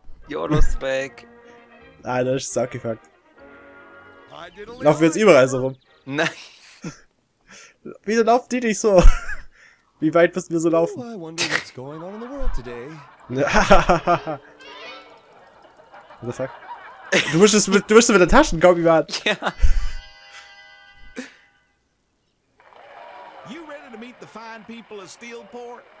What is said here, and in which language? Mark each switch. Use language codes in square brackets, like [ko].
[en] Jonas back. [de] Ah, das ist abgefuckt. Laufen wir jetzt überall so rum? Nein. Wieso laufen die nicht so? Wie weit müssen wir so laufen? [en] Oh, I wonder what's going on in the world today. What the fuck? [de] Du musst es mit, der Taschen, Gobi, Mann. Ja. [en] You ready to meet the fine people of Steelport?